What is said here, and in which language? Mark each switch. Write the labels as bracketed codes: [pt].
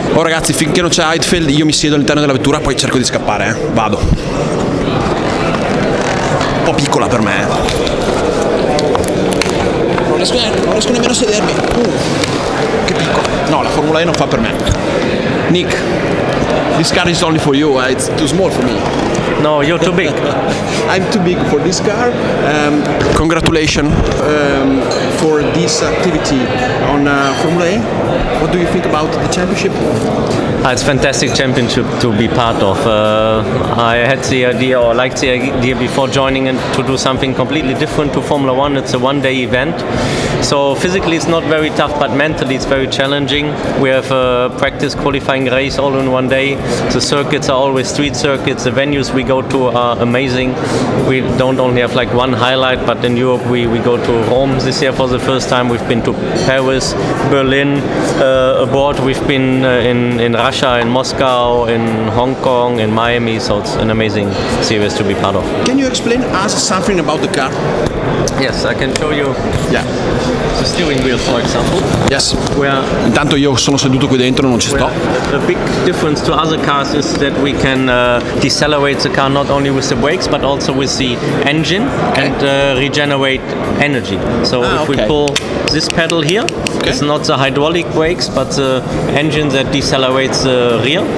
[it] Oh ragazzi, finché non c'è Heidfeld io mi siedo all'interno della vettura, poi cerco di scappare, eh. Vado. Un po' piccola per me. Non riesco nemmeno a sedermi. Che piccola. No, la Formula E non fa per me. [en] Nick, this car is only for you, it's too small for me. No, you're too big. I'm too big for this car. Congratulations for this activity on Formula E. What do you think about the championship? It's a fantastic championship to be part of. I had the idea, or liked the idea before joining, and to do something completely different to Formula One. It's a one-day event. So physically it's not very tough, but mentally it's very challenging. We have a practice qualifying race all in one day. The circuits are always street circuits. The venues we go to are amazing. We don't only have like one highlight, but in Europe we go to Rome this year for the first time. We've been to Paris, Berlin, abroad. We've been in Russia, in Moscow, in Hong Kong, in Miami. So it's an amazing series to be part of. Can you explain us something about the car? Yes, I can show you. Yeah. The steering wheel, for example. Yes. [it] Intanto io sono seduto qui dentro, non ci sto. [en] A big difference to other cars is that we can decelerate the car not only with the brakes but also with the engine. Okay. And regenerate energy. So if we pull this pedal here, okay, it's not the hydraulic brakes but the engine that decelerates the rear.